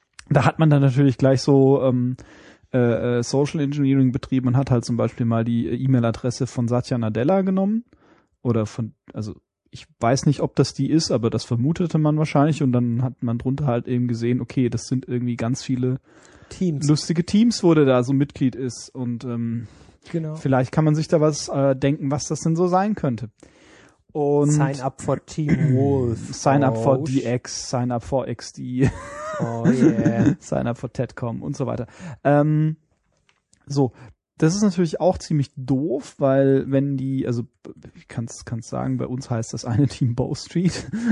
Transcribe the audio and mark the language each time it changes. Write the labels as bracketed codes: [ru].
[de] Da hat man dann natürlich gleich so Social Engineering betrieben und hat halt zum Beispiel mal die E-Mail-Adresse von Satya Nadella genommen oder von, also ich weiß nicht, ob das die ist, aber das vermutete man wahrscheinlich und dann hat man drunter halt eben gesehen, okay, das sind irgendwie ganz viele Teams. Lustige Teams, wo der da so Mitglied ist und genau. Vielleicht kann man sich da was denken, was das denn so sein könnte. Und [en] sign up for Team Wolf. Sign up for DX, sign up for XD. Oh yeah. Sign up for TEDcom [de] und so weiter. So, das ist natürlich auch ziemlich doof, weil wenn die, also ich kann's sagen, bei uns heißt das eine Team Bow Street.